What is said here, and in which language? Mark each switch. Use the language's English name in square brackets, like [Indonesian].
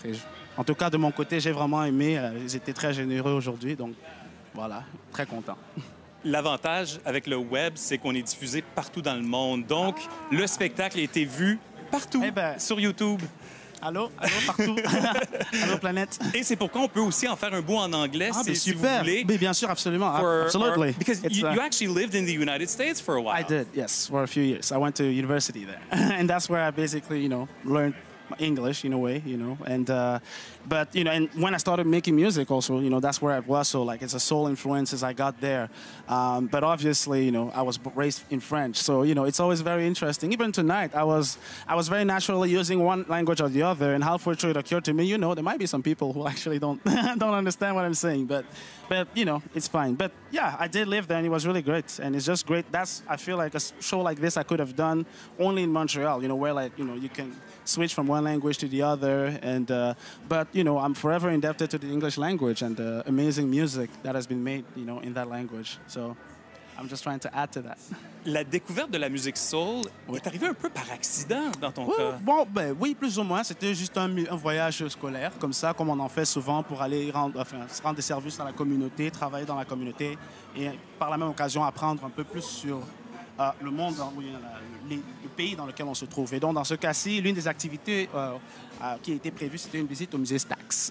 [French] Et en tout cas, de mon côté, j'ai vraiment aimé. Ils étaient très généreux aujourd'hui, donc voilà, très content. L'avantage avec le web, c'est qu'on est diffusé partout dans le monde. Donc, le spectacle a été vu partout, sur YouTube. Allô, partout. Allô, planète. Et c'est pourquoi on peut aussi en faire un bout en anglais, ah, si vous voulez. Mais bien sûr, absolument. Absolutely. [English] Because you actually lived in the United States for a while. I did, yes, for a few years. I went to university there. And that's where I basically, you know, learned English in a way, you know. And when I started making music also, you know, that's where I was. So, like, it's a soul influence as I got there. But obviously, you know, I was raised in French. So, you know, it's always very interesting. Even tonight, I was very naturally using one language or the other. And halfway through, it occurred to me, you know, there might be some people who actually don't understand what I'm saying. But you know, it's fine. But, yeah, I did live there, and it was really great. And it's just great. That's, I feel like, a show like this I could have done only in Montreal, you know, where, like, you know, you can switch from one language to the other. But, you know, I'm forever indebted to the English language and the amazing music that has been made, you know, in that language. So I'm just trying to add to that. [French] La découverte de la musique soul, oui, est arrivée un peu par accident dans ton, oui, cas. Bon, ben oui, plus ou moins. C'était juste un voyage scolaire, comme ça, comme on en fait souvent pour aller rendre des services dans la communauté, travailler dans la communauté et par la même occasion apprendre un peu plus sur le monde, oui, le pays dans lequel on se trouve. Et donc, dans ce cas-ci, l'une des activités qui a été prévue, c'était une visite au musée Stax.